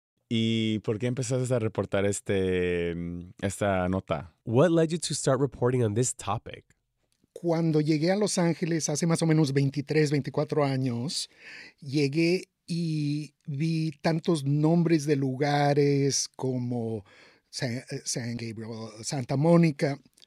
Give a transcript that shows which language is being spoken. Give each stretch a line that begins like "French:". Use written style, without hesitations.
Spanish: ¿Y por qué empezaste a reportar esta nota?
English: What led you to start reporting on this topic?
Spanish: Cuando llegué a Los Ángeles hace más o menos 23, 24 años, llegué y vi tantos nombres de lugares como San Gabriel, Santa Mónica.